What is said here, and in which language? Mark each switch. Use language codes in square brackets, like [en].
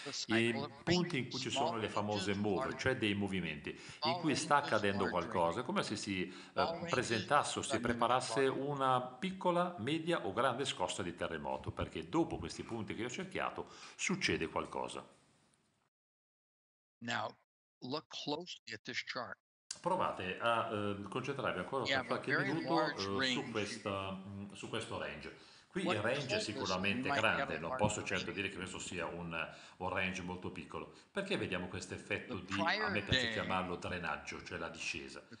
[it] I punti in cui ci sono le famose move, cioè dei movimenti, in cui sta accadendo qualcosa, come se si presentasse o si preparasse una piccola, media o grande scossa di terremoto, perché dopo questi punti che ho cerchiato succede qualcosa. [en] Now, look closely at this chart. [it] Provate a concentrarvi ancora per qualche minuto su questo range. Qui il range è sicuramente grande, non posso certo dire che questo sia un range molto piccolo. Perché vediamo questo effetto di, a me piace chiamarlo drenaggio, cioè la discesa?